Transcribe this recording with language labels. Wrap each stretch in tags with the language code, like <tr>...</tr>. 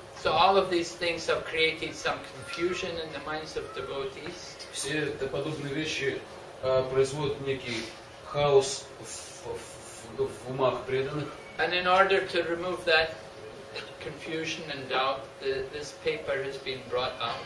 <en>So all of these things have created some confusion in the minds of devotees.</en> <ru>Все подобные вещи производят некий хаос в умах преданных.</ru> <en>And in order to remove that confusion and doubt, this paper has been brought up.</en>